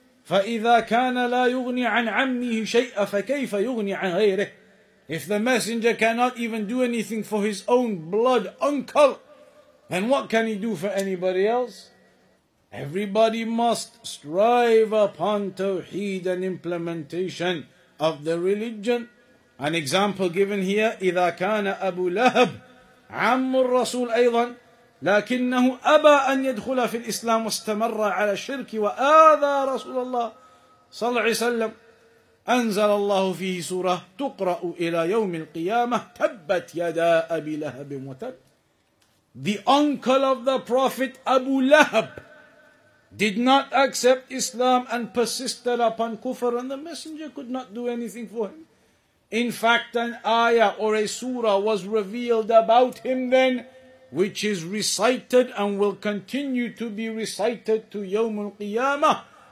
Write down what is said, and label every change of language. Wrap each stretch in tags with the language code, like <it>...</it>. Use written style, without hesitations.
<ar>فَإِذَا كَانَ لَا يُغْنِي عَنْ عَمِّهِ شَيْئًا فَكَيْفَ يُغْنِي عَنْ غَيْرِهِ.</ar> <en>If the messenger cannot even do anything for his own blood uncle, then what can he do for anybody else? Everybody must strive upon tawheed and implementation of the religion. An example given here,</en> <ar>إِذَا كَانَ أَبُو لَهَبٍ عَمُّ الرَّسُولِ أَيْضًا لكنه أبى أن يدخل في الإسلام واستمر على الشرك وآذى رسول الله صلى الله عليه وسلم أنزل الله فيه سورة تقرأ إلى يوم القيامة تبت يدا أبي لهب وتب.</ar> <en>The uncle of the Prophet Abu Lahab did not accept Islam and persisted upon kufr, and the messenger could not do anything for him. In fact, an ayah or a surah was revealed about him then, which is recited and will continue to be recited to Yawm al-Qiyamah.</en>